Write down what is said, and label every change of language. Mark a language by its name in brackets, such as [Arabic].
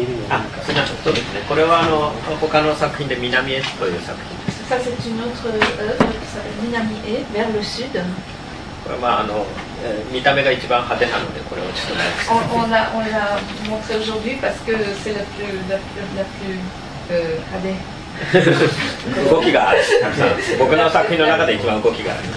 [Japanese] これはあの他の作品で南へという作品です。これは、まあ、あの見た目が一番派手なので、これをちょっと [French] on l'a montré aujourd'hui parce que c'est la plus [Japanese] 動きがたくさん、僕の作品の中で一番動きがある。